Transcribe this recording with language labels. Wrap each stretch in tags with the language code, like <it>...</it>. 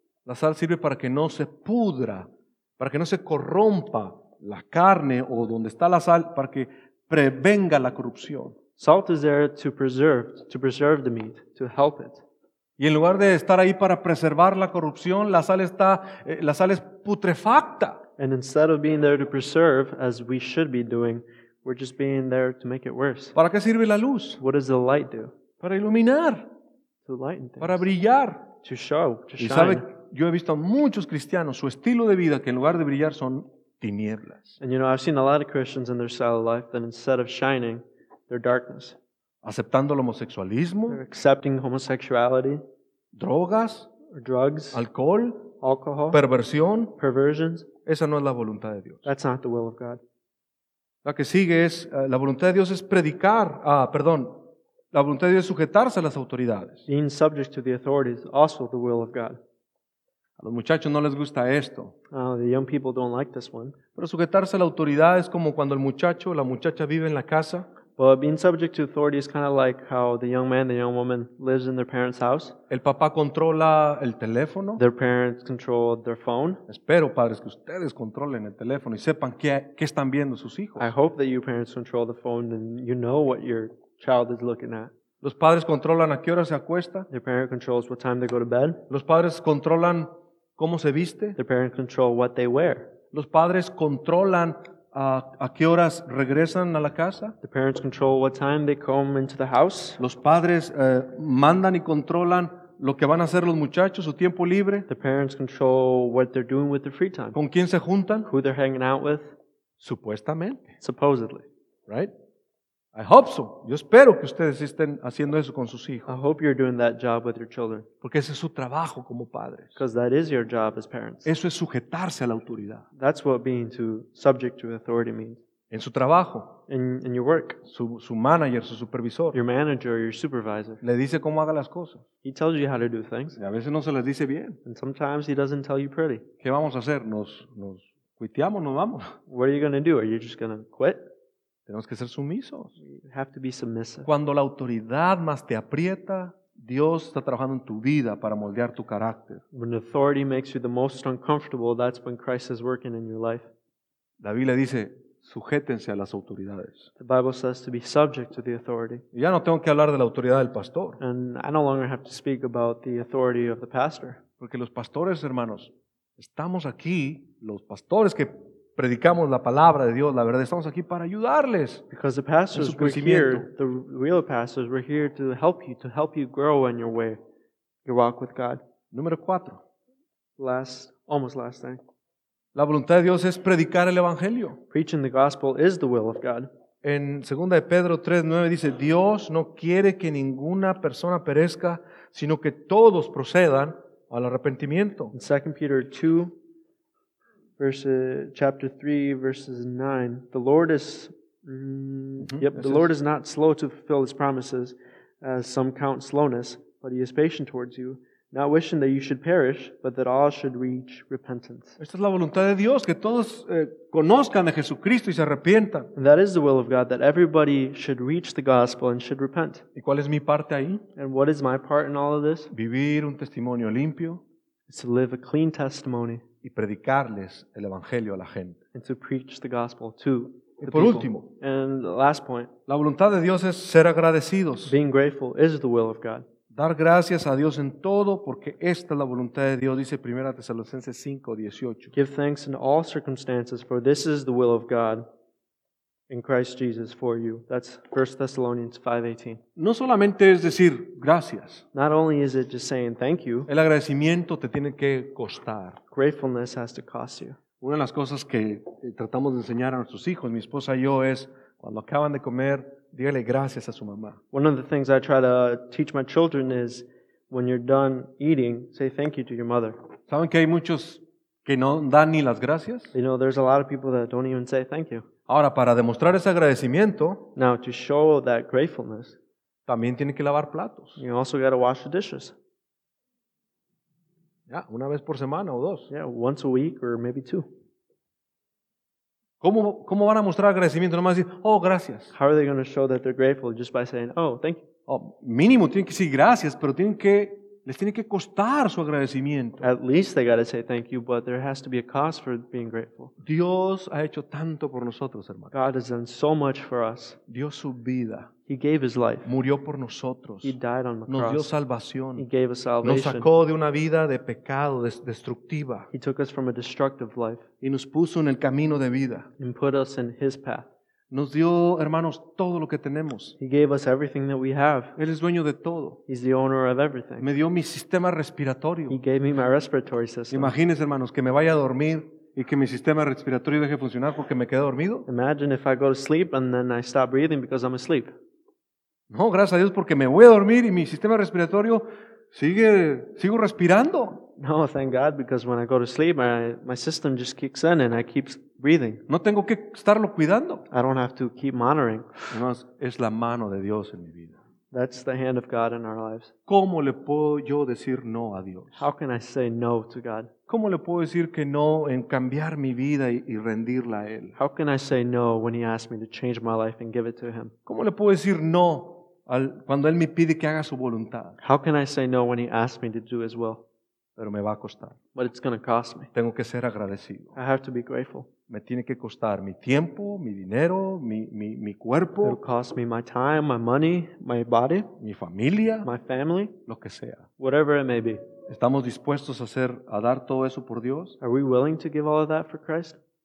<es>La sal sirve para que no se pudra, para que no se corrompa la carne o donde está la sal, para que prevenga la corrupción.</es> <en>Salt is there to preserve the meat, to help it.</en> <es>Y en lugar de estar ahí para preservar la corrupción, la sal es putrefacta.</es> <en>And instead of being there to preserve, as we should be doing, we're just being there to make it worse.</en> <es>¿Para qué sirve la luz?</es> <en>What does the light do?</en> <es>Para iluminar.</es> <en>To lighten things.</en> <es>Para brillar.</es> <en>To show, to shine.</en> <es>Y sabe, yo he visto a muchos cristianos, su estilo de vida, que en lugar de brillar son tinieblas.</es> <en>And you know, I've seen a lot of Christians in their style of life, that instead of shining, they're darkness.</en> <es>Aceptando el homosexualismo,</es> <en>they're accepting homosexuality,</en> <es>drogas,</es> <en>or drugs,</en> <es>alcohol, perversión,</es> <en>perversions.</en> <es>Esa no es la voluntad de Dios.</es> <en>That's not the will of God.</en> <es>La que sigue es la voluntad de Dios es predicar. Ah, perdón. La voluntad de Dios es sujetarse a las autoridades.</es> <en>Being subject to the authorities, also the will of God.</en> <es>A los muchachos no les gusta esto.</es> <en>The young people don't like this one.</en> <es>Pero sujetarse a la autoridad es como cuando el muchacho o la muchacha vive en la casa.</es> <en>But being subject to authority is kind of like how the young man, the young woman lives in their parents' house.</en> <es>El papá controla el teléfono.</es> <en>Their parents control their phone.</en> <es>Espero, padres, que ustedes controlen el teléfono y sepan qué están viendo sus hijos.</es> <en>I hope that you parents control the phone and you know what your child is looking at.</en> <es>Los padres controlan a qué hora se acuesta.</es> <en>Their parent controls what time they go to bed.</en> <es>Los padres controlan cómo se viste.</es> <en>Their parents control what they wear.</en> <es>Los padres controlan ¿a qué horas regresan a la casa?</es> <en>The parents control what time they come into the house.</en> <es>Los padres mandan y controlan lo que van a hacer los muchachos, su tiempo libre.</es> <en>The parents control what they're doing with their free time.</en> <es>¿Con quién se juntan?</es> <en>Who they're hanging out with.</en> <es>Supuestamente.</es> <en>Supposedly. Right? I hope so.</en> <es>Yo espero que ustedes estén haciendo eso con sus hijos.</es> <en>I hope you're doing that job with your children.</en> <es>Porque ese es su trabajo como padres.</es> <en>Because that is your job as parents.</en> <es>Eso es sujetarse a la autoridad.</es> <en>That's what being to subject to authority means.</en> <es>En su trabajo.</es> <en>In your work.</en> <es>Su manager, su supervisor.</es> <en>Your manager, your supervisor.</en> <es>Le dice cómo haga las cosas.</es> <en>He tells you how to do things.</en> <es>Y a veces no se les dice bien.</es> <en>And sometimes he doesn't tell you pretty.</en> <es>¿Qué vamos a hacer? Nos cuiteamos, nos vamos.</es> <en>What are you going to do? Are you just going to quit?</en> <es>Tenemos que ser sumisos.</es> <en>You have to be submissive.</en> <es>Cuando la autoridad más te aprieta, Dios está trabajando en tu vida para moldear tu carácter.</es> <en>When authority makes you the most uncomfortable, that's when Christ is working in your life.</en> <es>La Biblia dice, sujétense a las autoridades.</es> <en>The Bible says to be subject to the authority.</en> <es>Y ya no tengo que hablar de la autoridad del pastor.</es> <en>And I no longer have to speak about the authority of the pastor.</en> <es>Porque los pastores, hermanos, estamos aquí, los pastores que predicamos la palabra de Dios, la verdad, estamos aquí para ayudarles.</es> <en>Because the pastors were here, the real pastors were here to help you grow in your way, your walk with God.</en> <es>Número cuatro.</es> <en>Almost last thing.</en> <es>La voluntad de Dios es predicar el evangelio.</es> <en>Preaching the gospel is the will of God.</en> <es>En 2 Pedro 3:9 dice, Dios no quiere que ninguna persona perezca, sino que todos procedan al arrepentimiento.</es> <en>In 2 Peter 2, chapter 3, verses 9. The Lord is Lord is not slow to fulfill His promises, as some count slowness, but He is patient towards you, not wishing that you should perish, but that all should reach repentance.</en> <es>Esta es la voluntad de Dios, que todos conozcan a Jesucristo y se arrepientan.</es> <en>And that is the will of God, that everybody should reach the gospel and should repent.</en> <es>¿Y cuál es mi parte ahí?</es> <en>And what is my part in all of this?</en> <es>Vivir un testimonio limpio.</es> <en>It's to live a clean testimony.</en> <es>Y predicarles el evangelio a la gente.</es> <en>And to preach the gospel to the people.</en> <es>Y por último,</es> <en>and the last point,</en> <es>la voluntad de Dios es ser agradecidos.</es> <en>Being grateful is the will of God.</en> <es>Dar gracias a Dios en todo porque esta es la voluntad de Dios, dice 1 Tesalonicenses 5:18.</es> <en>Give thanks in all circumstances, for this is the will of God in Christ Jesus for you. That's 1 Thessalonians 5:18.</en> <es>No solamente es decir gracias.</es> <en>Not only is it just saying thank you.</en> <es>El agradecimiento te tiene que costar.</es> <en>Gratefulness has to cost you.</en> <es>Una de las cosas que tratamos de enseñar a nuestros hijos, mi esposa y yo, es cuando acaban de comer, dígale gracias a su mamá.</es> <en>One of the things I try to teach my children is when you're done eating, say thank you to your mother.</en> <es>¿Saben que hay muchos que no dan ni las gracias?</es> <en>You know, there's a lot of people that don't even say thank you.</en> <es>Ahora, para demostrar ese agradecimiento,</es> <en>now, to show that gratefulness,</en> <es>también tiene que lavar platos.</es> <en>You also got to wash the dishes.</en> <es>Ya, una vez por semana o dos.</es> <en>Yeah, once a week or maybe two.</en> <es>¿Cómo van a mostrar agradecimiento? Nomás decir, oh, gracias.</es> <en>How are they going to show that they're grateful just by saying, oh, thank you?</en> <es>Oh, mínimo tienen que decir gracias, pero les tiene que costar su agradecimiento.</es> <en>At least they got to say thank you, but there has to be a cost for being grateful.</en> <es>Dios ha hecho tanto por nosotros, hermanos.</es> <en>God has done so much for us.</en> <es>Dio su vida.</es> <en>He gave His life.</en> <es>Murió por nosotros.</es> <en>He died on the</en> <es>Nos</es> <en>cross.</en> <es>Dio salvación.</es> <en>He gave us salvation.</en> <es>Nos sacó de una vida de pecado, destructiva.</es> <en>He took us from a destructive life.</en> <es>Y nos puso en el camino de vida.</es> <en>And put us in His path.</en> <es>Nos dio, hermanos, todo lo que tenemos.</es> <en>He gave us everything that we have.</en> <es>Él es dueño de todo.</es> <en>He's the owner of everything.</en> <es>Me dio mi sistema respiratorio.</es> <en>He gave me my respiratory system.</en> <es>Imagínense, hermanos, que me vaya a dormir y que mi sistema respiratorio deje funcionar porque me quedé dormido.</es> <en>Imagine if I go to sleep and then I stop breathing because I'm asleep.</en> <es>No, gracias a Dios porque me voy a dormir y mi sistema respiratorio sigo respirando.</es> <en>No, thank God, because when I go to sleep, my system just kicks in and I keep breathing.</en> <es>No tengo que estarlo cuidando.</es> <en>I don't have to keep monitoring.</en> <es>Además, es la mano de Dios en mi vida.</es> <en>That's the hand of God in our lives.</en> <es>¿Cómo le puedo yo decir no a Dios?</es> <en>How can I say no to God?</en> <es>¿Cómo le puedo decir que no en cambiar mi vida y rendirla a Él?</es> <en>How can I say no when He asks me to change my life and give it to Him?</en> <es>¿Cómo le puedo decir no cuando Él me pide que haga su voluntad?</es> <en>How can I say no when He asks me to do His will?</en> <es>Pero me va a costar.</es> <en>But it's going to cost me.</en> <es>Tengo que ser agradecido.</es> <en>I have to be grateful.</en> <es>Me tiene que costar mi tiempo, mi dinero, mi cuerpo.</es> <en>It'll cost me my time, my money, my body.</en> <es>Mi familia.</es> <en>My family.</en> <es>Lo que sea.</es> <en>Whatever it may be.</en> <es>¿Estamos dispuestos a dar todo eso por Dios?</es> <en>Are we willing to give all of that for Christ?</en>